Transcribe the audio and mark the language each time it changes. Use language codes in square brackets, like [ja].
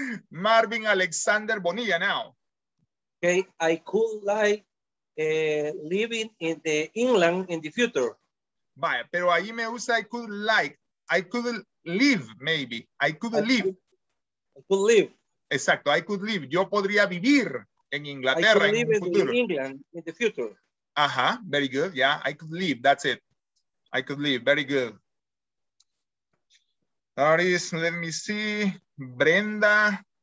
[en] Marvin Alexander Bonilla now. Okay, I could like living in the England in the future. [es] Vaya, pero ahí me usa [en] I could like, I could live maybe, I could live. I could live. Exacto, I could live. [es] Yo podría vivir en Inglaterra en el futuro. [en] I could live in England in the future. Ajá, very good, yeah, I could live, that's it. I could live, very good. That is, let me see, Brenda.